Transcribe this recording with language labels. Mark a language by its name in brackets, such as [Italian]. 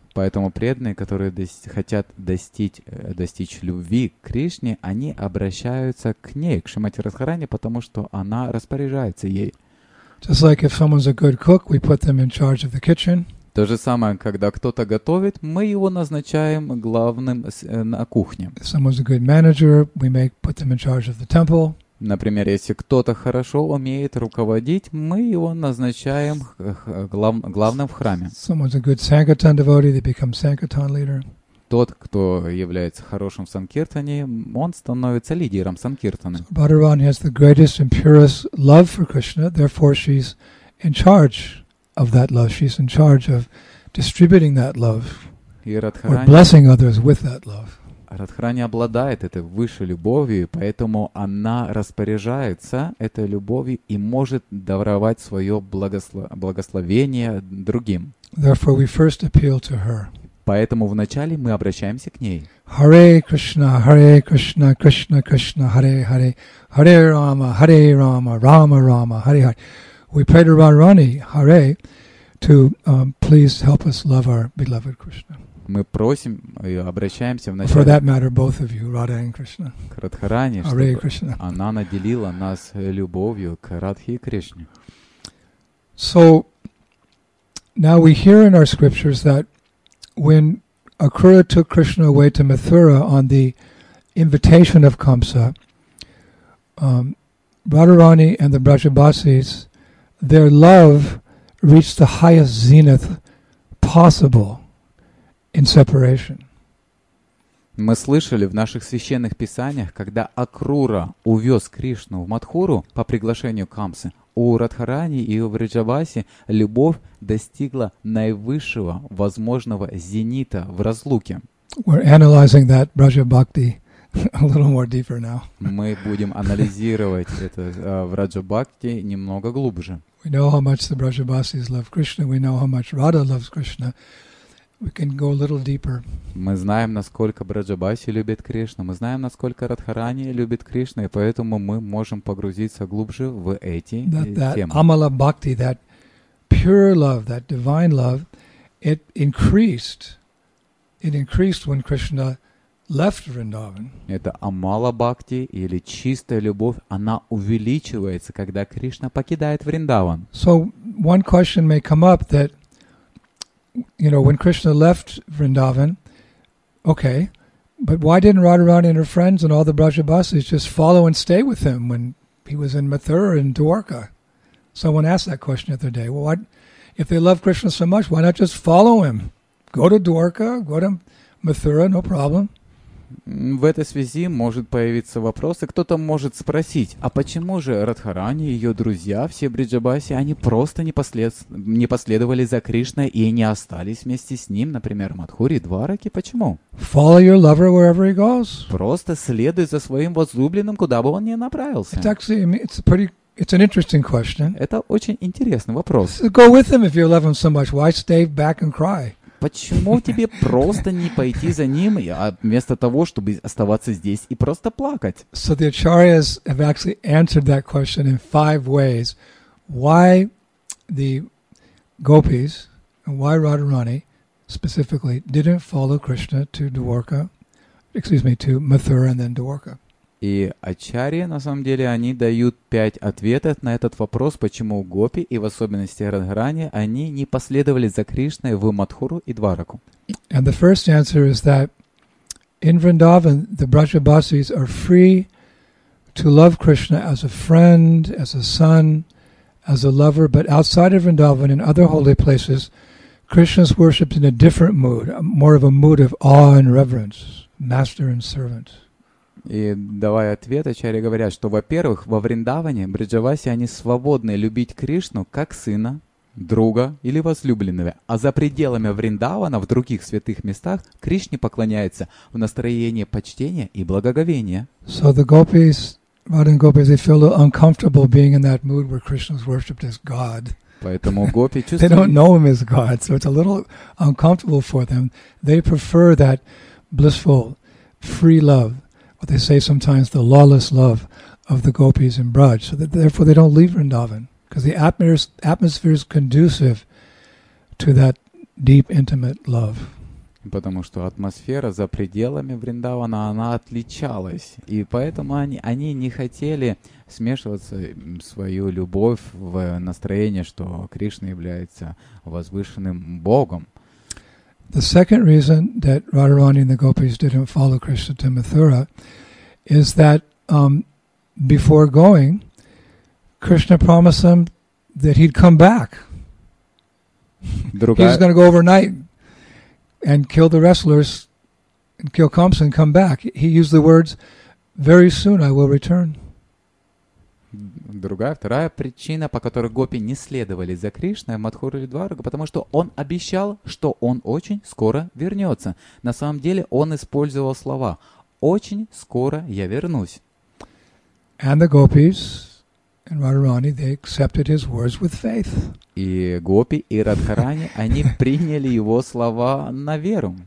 [Russian] Поэтому преданные, которые хотят достичь любви к Кришне, они обращаются к ней, к Шримати Радхарани, потому что она распоряжается ей. [English] Just like if someone's a good cook, we put them in charge of the kitchen. [Russian] То же самое, когда кто-то готовит, мы его назначаем главным на кухне. [English] If someone's a good manager, we make put them in charge of the temple. [Russian] Например, если кто-то хорошо умеет руководить, мы его назначаем главным в храме. [English] Someone's a good sankirtan devotee, they become sankirtan leader. [Russian] Тот, кто является хорошим санкиртане, он становится лидером санкиртаны. [English] Radharani has the greatest and purest love for Krishna, therefore she's in charge of that love. She's in charge of distributing that love or blessing others with that love. [Russian] Радхарани обладает этой высшей любовью, поэтому она распоряжается этой любовью и может даровать свое благословение другим. [English] Therefore, we first appeal to her. [Russian] Поэтому вначале мы обращаемся к ней. [Sanskrit] Харе Кришна, Харе Кришна, Кришна Кришна, Харе Харе, Харе Рама, Харе Рама, Рама Рама, Харе Харе. [English] We pray to Radharani, Харе, to please help us love our beloved Krishna. [Russian] Мы просим и обращаемся вначале. [English] For that matter, both of you, Radha and Krishna. [Russian] К Радхарани, чтобы она наделила нас любовью к Радхе и Кришне. [English] So now we hear in our scriptures that when Akura took Krishna away to Mathura on the invitation of Kamsa, Radharani and the Brajabasis, their love reached the highest zenith possible. In separation. [Russian] Мы слышали в наших священных писаниях, когда Акрура увез Кришну в Матхуру по приглашению Камсы, у Радхарани и у Вриджаваси любовь достигла наивысшего возможного зенита в разлуке. [English] We're analyzing that Braja Bhakti a little more deeper now. [Russian] Мы будем анализировать это Braja Bhakti немного глубже. [English] We know how much the Vrajabhasis love Krishna, we know how much Radha loves Krishna. We can go a little deeper. [Russian] Мы знаем, насколько Браджабаси любит Кришну, мы знаем, насколько Радхарани любит Кришну, и поэтому мы можем погрузиться глубже в эти темы. [English] That Amala Bhakti, that pure love, that divine love, it increased when Krishna left Vrindavan. [Russian] Это Амала Бхакти или чистая любовь, она увеличивается, когда Кришна покидает Вриндаван. [English] So one question may come up that when Krishna left Vrindavan, okay, but why didn't Radharani and her friends and all the Brajabasis just follow and stay with him when he was in Mathura and Dwarka? Someone asked that question the other day. Well, if they love Krishna so much, why not just follow him? Go to Dwarka, go to Mathura, no problem. [Russian] В этой связи может появиться вопрос, и кто-то может спросить, а почему же Радхарани и ее друзья, все Бриджабаси, они просто не последовали за Кришной и не остались вместе с ним, например, Мадхури, Двараки, почему? [English] Follow your lover wherever he goes. [Russian] Просто следуй за своим возлюбленным, куда бы он ни направился. [English] It's an interesting question. [Russian] Это очень интересный вопрос. [English] Go with him if you love him so much. Why stay back and cry? [Russian] Почему тебе просто не пойти за ним, вместо того, чтобы оставаться здесь и просто плакать? [English] So the acharyas have actually answered that question in five ways. Why the gopis, and why Radharani specifically, didn't follow Krishna to Dwarka, to Mathura and then Dwarka? [Russian] И ачарьи, на самом деле, они дают пять ответов на этот вопрос, почему гопи, и в особенности Радхарани, они не последовали за Кришной в Матхуру и Двараку. [English] And the first answer is that in Vrindavan, the Brajabasis are free to love Krishna as a friend, as a son, as a lover, but outside of Vrindavan in other holy places, Krishna is worshipped in a different mood, more of a mood of awe and reverence, master and servant. [Russian] И давая ответ, Ачарьи говорят, что, во-первых, во Вриндаване, Бриджаваси, они свободны любить Кришну как сына, друга или возлюбленного. А за пределами Вриндавана, в других святых местах, Кришне поклоняется в настроении почтения и благоговения. [English] So the gopis, Radha gopis, they feel a little uncomfortable being in that mood where Krishna is worshipped as God. [Russian] Поэтому гопи чувствуют... [English] They don't know him as God, so it's a little uncomfortable for them. They prefer that blissful, free love. What they say sometimes, the lawless love of the gopis in Braj. So that, therefore they don't leave Vrindavan. Because the atmosphere is conducive to that deep, intimate love. [Russian] Потому что атмосфера за пределами Вриндавана, она отличалась. И поэтому они не хотели смешиваться свою любовь в настроение, что Кришна является возвышенным Богом. [English] The second reason that Radharani and the gopis didn't follow Krishna to Mathura is that before going, Krishna promised them that he'd come back. He's going to go overnight and kill the wrestlers and kill Kamsa and come back. He used the words, "Very soon I will return." [Russian] Другая, вторая причина, по которой гопи не следовали за Кришной в Мадхуру или Дварагу, потому что он обещал, что он очень скоро вернется. На самом деле он использовал слова «очень скоро я вернусь». И гопи и Радхарани, они приняли его слова на веру.